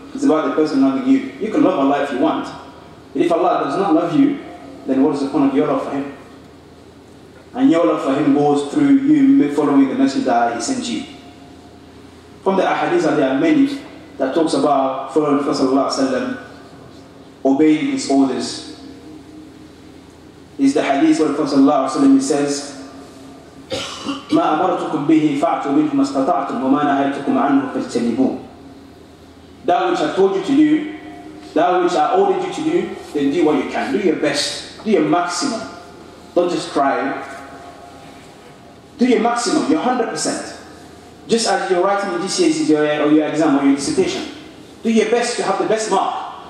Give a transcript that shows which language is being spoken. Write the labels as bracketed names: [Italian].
[English] It's about the person loving you. You can love Allah if you want. But if Allah does not love you, then what is the point of your love for Him? And your love for Him goes through you following the message that He sent you. From the ahadith, there are many that talks about following the Prophet sallallahu alaihi wasallam, obeying His orders. It's the hadith where the Prophet sallallahu alaihi wasallam says, [Arabic] ما أمرتكم به فأعطوا منه ما استطعتم وما نهيتكم عنه فاجتنبوه. [English] That which I told you to do, that which I ordered you to do, then do what you can. Do your best. Do your maximum. Don't just try. Do your maximum, your 100%. Just as you're writing your GCSEs or your exam or your dissertation. Do your best to have the best mark.